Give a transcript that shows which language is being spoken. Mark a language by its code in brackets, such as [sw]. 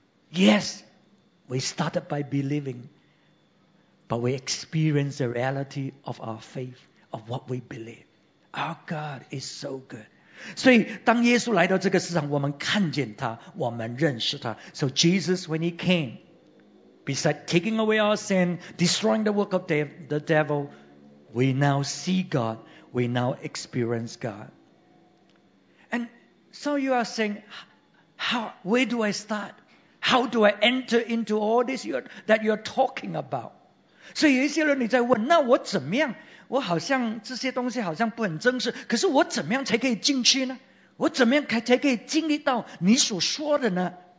[en] Yes, we started by believing, but we experience the reality of our faith, of what we believe. Our God is so good. [zh] 所以当耶稣来到这个世上，我们看见他，我们认识他。 [en] So Jesus, when He came, besides taking away our sin, destroying the work of the devil, we now see God, we now experience God. And so you are saying, where do I start? How do I enter into all this that you're talking about? [zh] 所以有一些人你在问，那我怎么样？我好像这些东西好像不很真实，可是我怎么样才可以进去呢？我怎么样才可以经历到你所说的呢？